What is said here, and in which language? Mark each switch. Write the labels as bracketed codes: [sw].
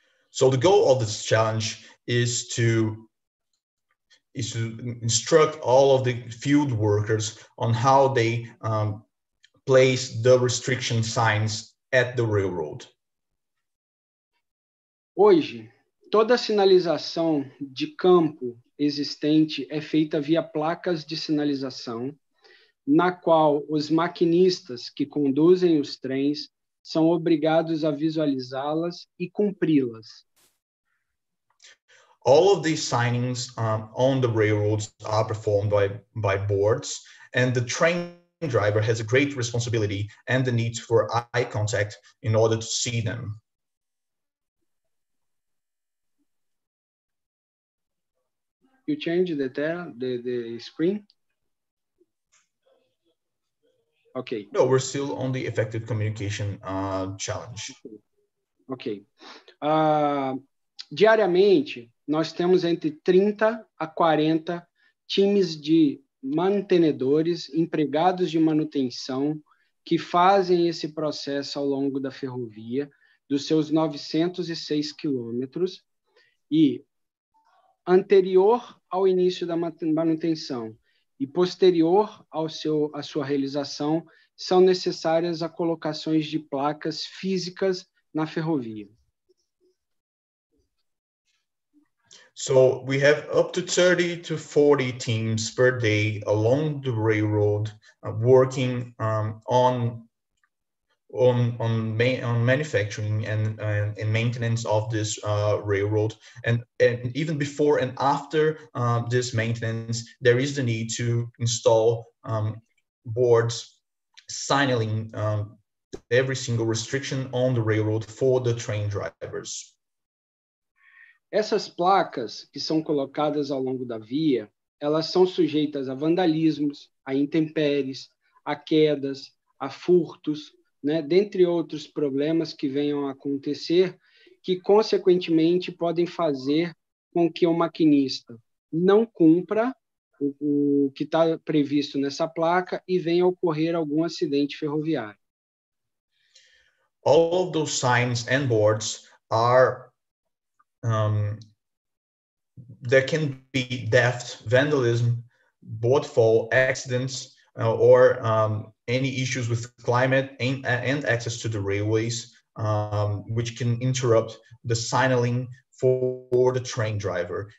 [en] So the goal of this challenge is to instruct all of the field workers on how they place the restriction signs at the railroad. [pt] Hoje, toda a sinalização de campo existente é feita via placas de sinalização, na qual os maquinistas que conduzem os trens são obrigados a visualizá-las e cumpri-las. [en] All of these signings on the railroads are performed by boards, and the train driver has a great responsibility and the need for eye contact in order to see them. You change the screen? Okay. No, we're still on the effective communication challenge. Okay. [pt] Diariamente, nós temos entre 30 a 40 times de mantenedores, empregados de manutenção, que fazem esse processo ao longo da ferrovia, dos seus 906 quilômetros. E anterior ao início da manutenção e posterior à sua realização, são necessárias as colocações de placas físicas na ferrovia. [en] So we have up to 30 to 40 teams per day along the railroad working on manufacturing and maintenance of this railroad. And even before and after this maintenance, there is the need to install boards signaling every single restriction on the railroad for the train drivers. [pt] Essas placas que são colocadas ao longo da via, elas são sujeitas a vandalismos, a intempéries, a quedas, a furtos, né? Dentre outros problemas que venham a acontecer, que, consequentemente, podem fazer com que o maquinista não cumpra o que está previsto nessa placa e venha a ocorrer algum acidente ferroviário. [en] All of those signs and boards are, there can be theft, vandalism, boat fall, accidents, or any issues with climate and access to the railways, which can interrupt the signaling for the train driver.